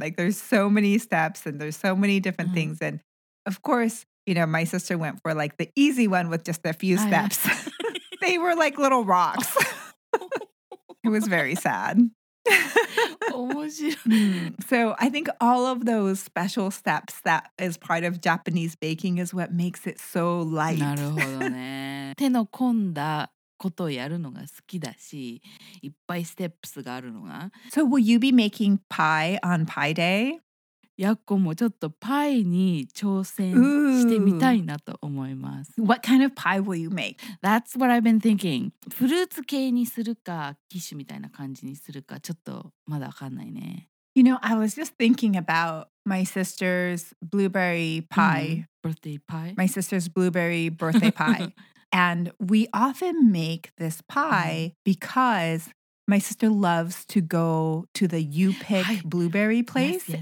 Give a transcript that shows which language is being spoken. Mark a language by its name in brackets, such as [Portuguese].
[English] Like, there's so many steps and there's so many different things. And, of course, you know, my sister went for, like, the easy one with just a few steps. They were like little rocks. It was very sad. So I think all of those special steps that is part of Japanese baking is what makes it so light. [Japanese] なるほどね。手の込んだ。ことをやるのが好きだし、いっぱいステップスがあるのが。 [English] So will you be making pie on pie day? [Japanese] やっこもちょっとパイに挑戦してみたいなと思います。 [English] Ooh. What kind of pie will you make? That's what I've been thinking. [Japanese] フルーツ系にするか、キッシュみたいな感じにするか、ちょっとまだわかんないね。 [English] You know, I was just thinking about my sister's blueberry pie. Birthday pie? My sister's blueberry birthday pie. And we often make this pie because my sister loves to go to the You Pick blueberry place. Yes, yes.